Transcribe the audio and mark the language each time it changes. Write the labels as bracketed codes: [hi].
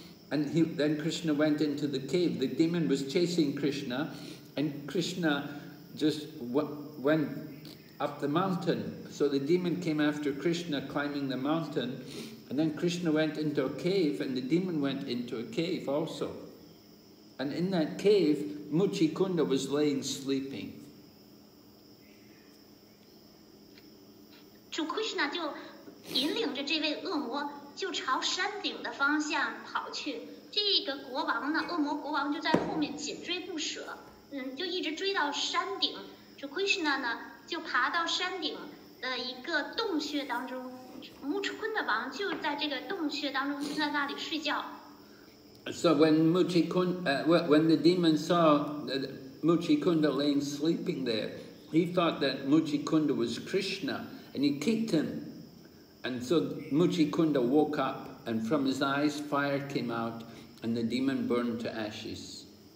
[en] And then Krishna went into the cave. The demon was chasing Krishna, and Krishna just went up the mountain. So the demon came after Krishna climbing the mountain, and then Krishna went into a cave, and the demon went into a cave also. And in that cave, Muchukunda was laying sleeping. [zh] So Krishna 就引领着这位恶魔就朝山顶的方向跑去，这个国王呢，恶魔国王就在后面紧追不舍，就一直追到山顶。这 Krishna 呢，就爬到山顶的一个洞穴当中，穆楚昆的王就在这个洞穴当中在那里睡觉。 [en] So when when the demon saw that Muchukunda laying sleeping there, he thought that Muchukunda was Krishna, and he kicked him. And so Muchukunda woke up, and from his eyes fire came out, and the demon burned to ashes.